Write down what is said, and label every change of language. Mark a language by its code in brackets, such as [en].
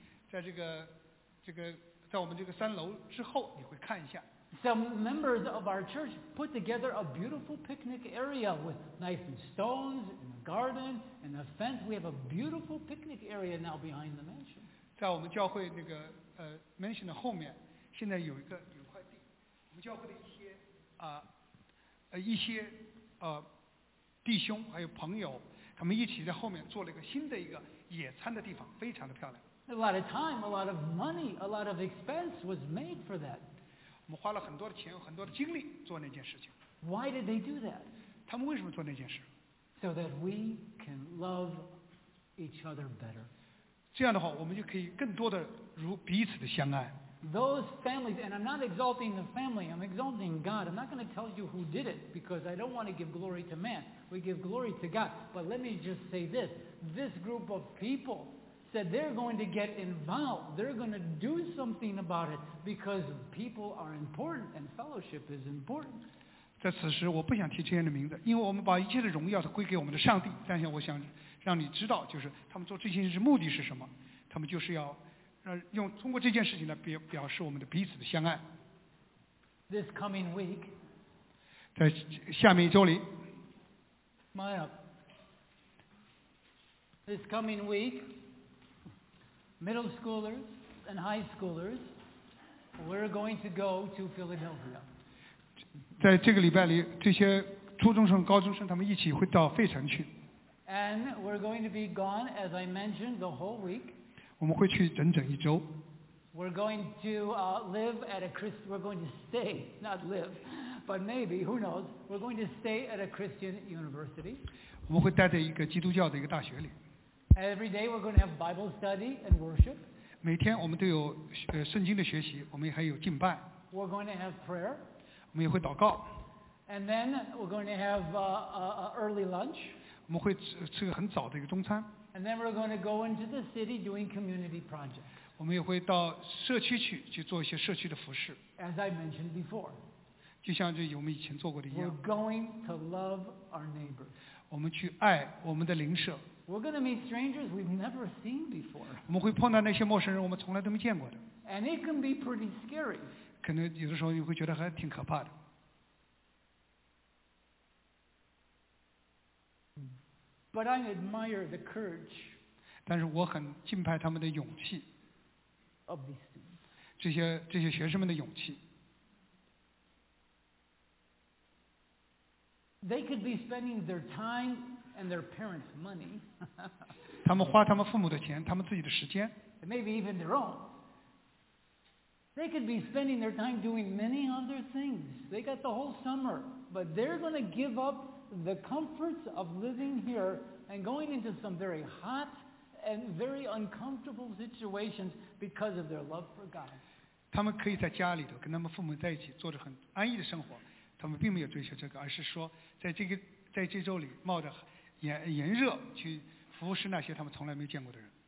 [zh] 在这个在我们这个三楼之后，你会看一下。 [en] Some members of our church put together a beautiful picnic area with nice stones and a garden and a fence. We have a beautiful picnic area now behind the mansion. [zh] 在我们教会那个mansion 的后面，现在有一块地，我们教会的一些弟兄还有朋友，他们一起在后面做了一个新的一个野餐的地方，非常的漂亮。 [en] A lot of time, a lot of money, a lot of expense was made for that. [zh] 我们花了很多的钱，很多的精力做那件事情。 [en] Why did they do that? [zh] 他们为什么做那件事？ [en] So that we can love each other better. [zh] 这样的话，我们就可以更多的如彼此的相爱。 [en] Those families, and I'm not exalting the family, I'm exalting God. I'm not going to tell you who did it because I don't want to give glory to man. We give glory to God. But let me just say this. This group of people said they're going to get involved. They're going to do something about it because people are important and fellowship is important. [zh] 在此时我不想提这些的名字，因为我们把一切的荣耀都归给我们的上帝。但是我想让你知道，就是他们做这些事目的是什么。他们就是要通过这件事情来表示我们的彼此的相爱。 [en] This coming week, [zh] 在下面一周里 [en] Maya, this coming week, middle schoolers and high schoolers, we're going to go to Philadelphia. [zh] 在这个礼拜里，这些初中生、高中生他们一起会到费城去。 [en] And we're going to be gone, as I mentioned, the whole week. [zh] 我们会去整整一周。 [en] We're going to live at a Christ. We're going to stay, not live, but maybe who knows? We're going to stay at a Christian university. [zh] 我们会待在一个基督教的一个大学里。 [en] Every day we're going to have Bible study and worship. [zh] 每天我们都有圣经的学习，我们还有敬拜。 [en] We're going to have prayer. [zh] 我们也会祷告。 [en] And then we're going to have a early lunch. [zh] 我们会吃个很早的一个中餐。 [en] And then we're going to go into the city doing community projects. [zh] 我们也会到社区去做一些社区的服饰。 [en] As I mentioned before. [zh] 就像这我们以前做过的一样。 [en] We're going to love our neighbors. [zh] 我们去爱我们的邻舍。 [en] We're going to meet strangers we've never seen before. [zh] 我们会碰到那些陌生人我们从来都没见过的。 [en] And it can be pretty scary. [zh] 可能有的时候你会觉得还挺可怕的。 [en] But I admire the courage. [zh] 但是我很敬佩他们的勇气。 [en] Of these students. [zh] 这些学生们的勇气。 [en] They could be spending their time and their parents' money. [zh] 他们花他们父母的钱，他们自己的时间。 [en] Maybe even their own. They could be spending their time doing many other things. They got the whole summer, but they're going to give up. The comforts of living here and going into some very hot and very uncomfortable situations because of their love for God. [zh] 他们可以在家里头跟他们父母在一起做着很安逸的生活，他们并没有追求这个，而是说在这周里冒着炎热去服侍那些他们从来没见过的人。